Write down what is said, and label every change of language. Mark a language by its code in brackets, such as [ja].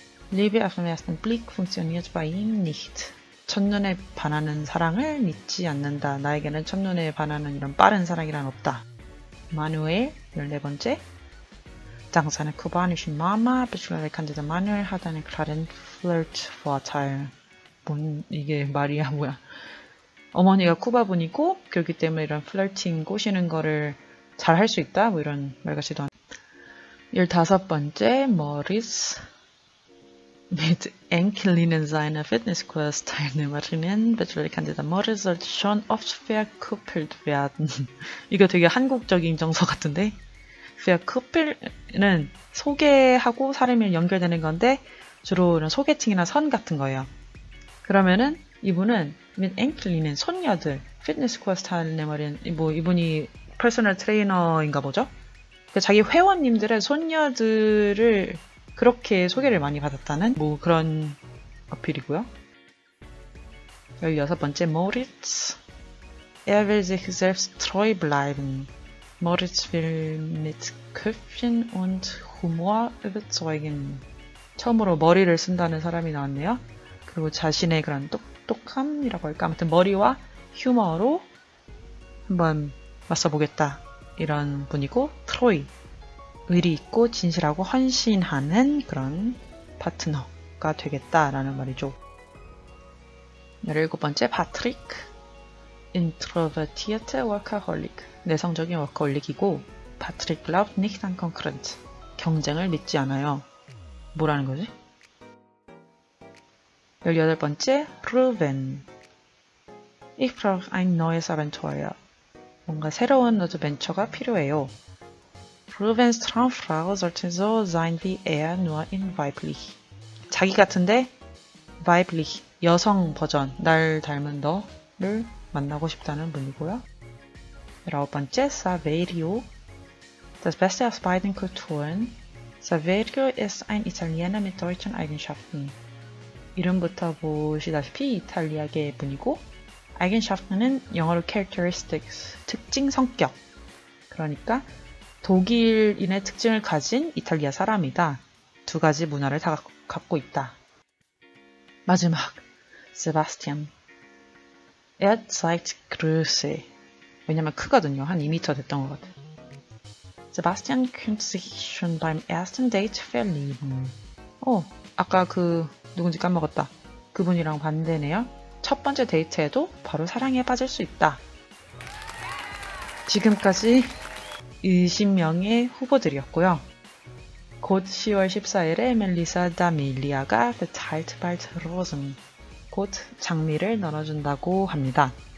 [de] Liebe auf den ersten Blick funktioniert bei ihm nicht. [ko] 첫눈에 반하는 사랑을 믿지 않는다. 나에게는 첫눈에 반하는 이런 빠른 사랑이란 없다. Manuel, 14번째. 당사는 쿠바니시 마마, 배출라의 칸데드 마누엘 하다는 클라렌 플러트 포아타일. 뭔, 이게 말이야, 뭐야. 어머니가 쿠바 분이고, 그렇기 때문에 이런 플러팅 꼬시는 거를 잘할수 있다. 뭐 이런 말같이도 한. 15번째, 머리스. [de] Mit Enkelinnen seiner Fitnesskurs Teilnehmerinnen, Bachelor Kandidat Moritz sollte schon oft verkuppelt werden. [ko] 이거 되게 한국적인 정서 같은데? Verkuppeln은 소개하고 사람을 연결되는 건데, 주로 이런 소개팅이나 선 같은 거예요. 그러면은 이분은 [de] Mit Enkelinnen, [ko] 손녀들, [de] Fitnesskurs Teilnehmerinnen, [ko] 뭐 이분이 퍼스널 트레이너인가 보죠? 그 자기 회원님들의 손녀들을 그렇게 소개를 많이 받았다는 뭐 그런 어필이고요. 16번째, Moritz. [de] Er will sich selbst treu bleiben. Moritz will mit Köpfchen und Humor überzeugen. [ko] 처음으로 머리를 쓴다는 사람이 나왔네요. 그리고 자신의 그런 똑똑함이라고 할까? 아무튼 머리와 휴머로 한번 맞서 보겠다. 이런 분이고, 트로이. 의리 있고 진실하고 헌신하는 그런 파트너가 되겠다라는 말이죠. 17번째, 파트릭. [de] Introvertierte Workaholic. [ko] 내성적인 워커홀릭이고, [de] Patrick glaubt nicht an Konkurrenz. [ko] 경쟁을 믿지 않아요. 뭐라는 거지? 18번째, Ruben. [de] Ich brauche ein neues Abenteuer. [ko] 뭔가 새로운 어드벤처가 필요해요. [de] Rubens Traumfrau sollte so sein wie er, nur in weiblich. [ko] 자기 같은데, weiblich, 여성 버전, 날 닮은 너를 만나고 싶다는 분이고요. 19번째, Saverio. [de] Das Beste aus beiden Kulturen. Saverio ist ein Italiener mit deutschen Eigenschaften. [ko] 이름부터 보시다시피 이탈리아계 분이고, Eigenschaften은 영어로 characteristics, 특징, 성격. 그러니까, 독일인의 특징을 가진 이탈리아 사람이다. 두 가지 문화를 다 갖고 있다. 마지막, 세바스티안. [de] Er zeigt Größe. [ko] 왜냐면 크거든요. 한 2m 됐던 것 같아. [de] Sebastian könnte sich schon beim ersten Date verlieben. [ko] 아까 그 누군지 까먹었다. 그분이랑 반대네요. 첫 번째 데이트에도 바로 사랑에 빠질 수 있다. 지금까지 20명의 후보들이었고요. 곧 10월 14일에 멜리사 다밀리아가 The Tight Bald Rosen 곧 장미를 나눠준다고 합니다.